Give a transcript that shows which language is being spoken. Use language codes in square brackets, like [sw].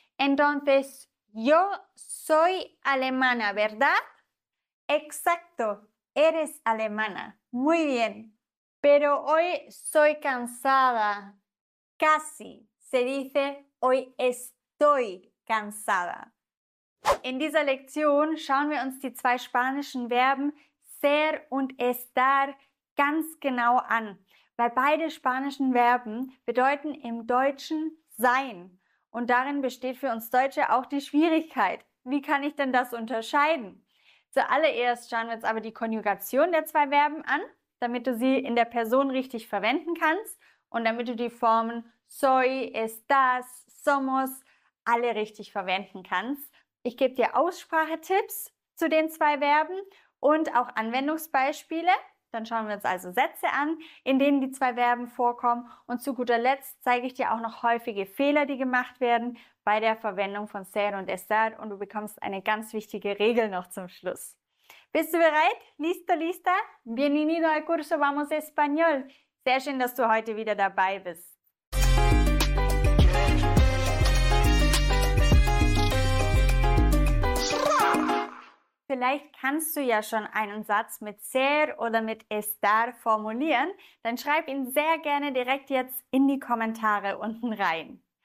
[es] Entonces, yo soy alemana, ¿verdad? Exacto, eres alemana. Muy bien. Pero hoy soy cansada. Casi, se dice hoy estoy cansada. [de] In dieser Lektion schauen wir uns die zwei spanischen Verben ser und estar ganz genau an, weil beide spanischen Verben bedeuten im Deutschen sein. Und darin besteht für uns Deutsche auch die Schwierigkeit. Wie kann ich denn das unterscheiden? Zuallererst schauen wir uns aber die Konjugation der zwei Verben an, damit du sie in der Person richtig verwenden kannst und damit du die Formen soy, estás, somos alle richtig verwenden kannst. Ich gebe dir Aussprachetipps zu den zwei Verben und auch Anwendungsbeispiele. Dann schauen wir uns also Sätze an, in denen die zwei Verben vorkommen. Und zu guter Letzt zeige ich dir auch noch häufige Fehler, die gemacht werden bei der Verwendung von ser und estar. Und du bekommst eine ganz wichtige Regel noch zum Schluss. Bist du bereit? [es] Listo, lista? Bienvenido al curso Vamos Español. [de] Sehr schön, dass du heute wieder dabei bist. Vielleicht kannst du ja schon einen Satz mit ser oder mit estar formulieren. Dann schreib ihn sehr gerne direkt jetzt in die Kommentare unten rein.